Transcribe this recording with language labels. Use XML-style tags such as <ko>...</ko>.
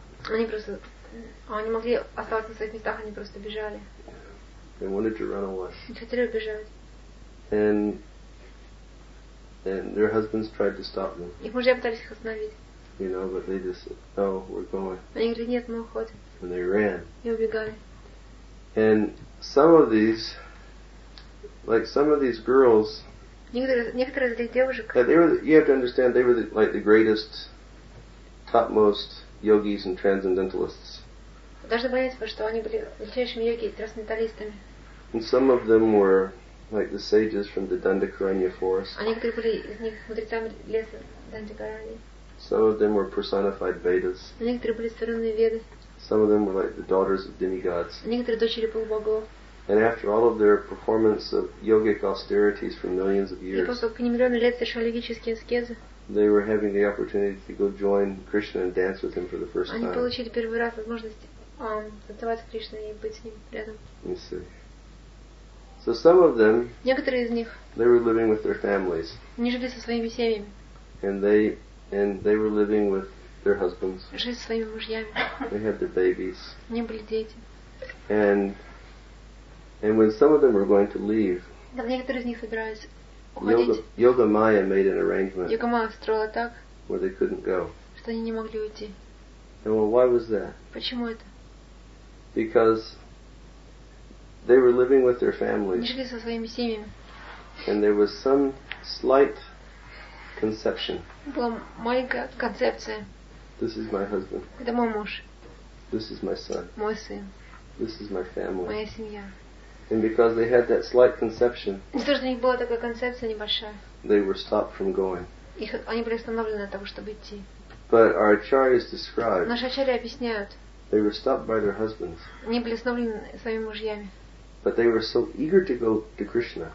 <ru>Они просто, они могли оставаться на своих местах, они просто бежали.</ru> <en>They wanted to run away.</en> <ru>Они хотели убежать.</ru> <en>And their husbands tried to stop them.</en> <ru>Их мужья пытались их остановить.</ru> <en>You know, but they just said, "No, we're going."</en> <ru>Они говорили: "Нет, мы уходим."</ru> <en>And they ran.</en> <ru>И убегали.</ru> <en>And some of these, like some of these girls.</en> <ru>Некоторые из этих девушек.</ru> <en>Yeah, they were. You have to understand, they were like the greatest, topmost yogis and transcendentalists.</en> <ru>Должны понять, что они были величайшими йоги и трансценденталистами.</ru> <en>And some of them were. Like the sages from the Dandakaranya forest.</en> <ru>А некоторые были из них мудрецами леса Дандакаранья.</ru> <en>Some of them were personified Vedas.</en> <ru>А некоторые были сотворенные Веды.</ru> <en>Some of them were like the daughters of demigods.</en> <ru>А некоторые дочери полубогов.</ru> <en>And after all of their performance of yogic austerities for millions of years.</en> <ru>И после того, как они миллионы лет совершали йогические аскезы.</ru> <en>They were having the opportunity to go join Krishna and dance with him for the first time.</en> <ru>Они получили первый раз возможность танцевать с Кришной и быть с ним рядом.</ru> <en>You see. So some of them,</en> <ru>некоторые из них,</ru> <en>they were living with their families.</en> <ru>Они жили со своими семьями.</ru> <en>And they were living with their husbands.</en> <ru>Жили со своими мужьями.</ru> <en>They had their babies.</en> <ru>У них были дети.</ru> <en>And when some of them were going to leave,</en> <ru>когда некоторые из них собирались уходить,</ru> <en>Yoga Maya made an arrangement.</en> <ru>Йога Майя устроила так,</ru> <en>where they couldn't go.</en> <ru>Что они не могли уйти.</ru> <en>And well, why was that?</en> <ru>Почему это?</ru> <en>Because they were living with their families.</en> <ru>Они жили со своими семьями.</ru> <en>And there was some slight conception.</en> <ru>Была маленькая концепция.</ru> <en>This is my husband.</en> <ru>Это мой муж.</ru> <en>This is my son.</en> <ru>Мой сын.</ru> <en>This is my family.</en> <ru>Моя семья.</ru> <en>And because they had that slight conception.</en> <ru>Не то, что у них была такая концепция небольшая.</ru> <en>They were stopped from going.</en> <ru>Их, они были остановлены от того, чтобы идти.</ru> <en>But our acharyas describe.</en> <ru>Наши ачарьи объясняют.</ru> <en>They were stopped by their husbands.</en> <ru>Они были остановлены своими мужьями.</ru> <en>But they were so eager to go to Krishna.</en>